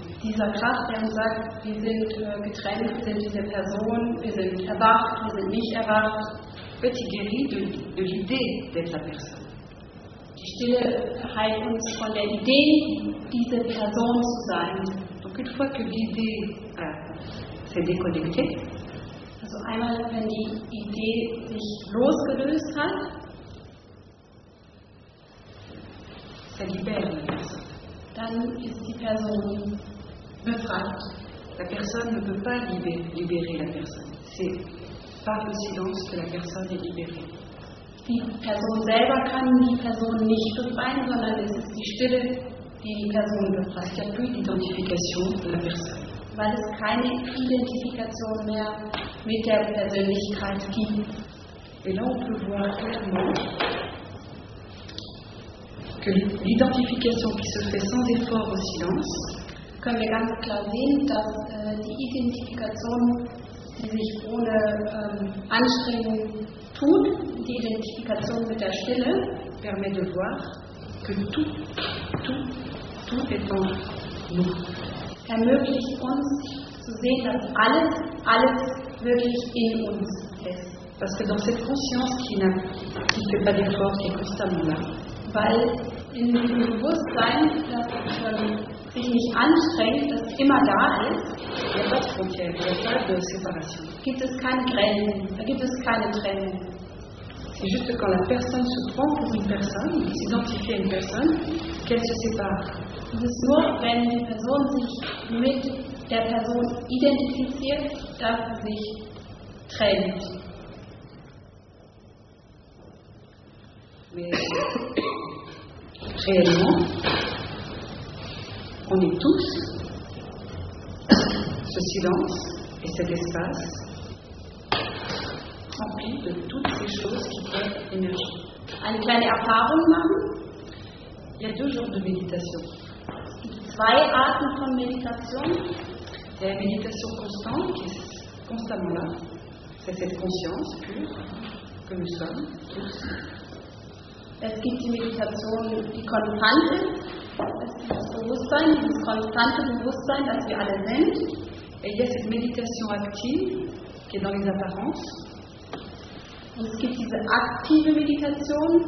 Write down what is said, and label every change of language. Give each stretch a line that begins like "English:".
German: Dieser Krach, der
French: nous
German: sagt, wir sind getrennt, wir sind diese Person, wir sind erwacht, wir sind nicht erwacht.
French: Petit guéri de l'idée d'être la personne.
German: Die Stille heilt uns von der Idee, diese Person zu sein.
French: Donc une fois que l'idée s'est déconnectée,
German: also einmal, wenn die Idee sich losgelöst hat,
French: ça libère la personne.
German: Dann ist die Person befreit.
French: La personne ne peut pas libérer la personne. C'est par le silence que la personne est libérée.
German: Die Person selber kann die Person nicht befreien, sondern es ist die Stille, die die Person befreit.
French: Il n'y a plus d'identification de la personne.
German: Weil es keine Identifikation mehr mit der Persönlichkeit gibt.
French: Et là, on peut voir clairement que l'identification qui se fait sans effort au silence,
German: können wir ganz klar sehen, dass die Identifikation, die sich ohne Anstrengung tut, die Identifikation mit der Stille,
French: permet de voir que tout est en nous.
German: Ermöglicht uns zu sehen, dass alles wirklich in uns ist.
French: Parce que dans cette conscience qui ne fait pas d'effort, qui est constamment là.
German: Weil in dem Bewusstsein, dass sich nicht anstrengt, dass immer da ist, gibt es keine Grenzen, da gibt es keine Trennung.
French: C'est juste quand la personne se prend pour une personne, s'identifie à une personne, qu'elle se sépare.
German: Es ist nur, wenn die Person sich mit der Person identifiziert, dass sie sich trennt.
French: Réellement, on est tous ce silence et cet espace rempli de toutes ces choses qui peuvent émerger.
German: Eine kleine Erfahrung machen.
French: Il y a deux genres de méditation.
German: Zwei Arten von Meditation.
French: Il y a la méditation constante qui est constamment là. C'est cette conscience pure que nous sommes tous.
German: Es gibt die Meditation, die konstant ist. Es gibt das Bewusstsein, dieses konstante Bewusstsein, das wir alle sind.
French: Et il y a cette méditation active, qui est dans les apparences.
German: Und es gibt diese aktive Meditation,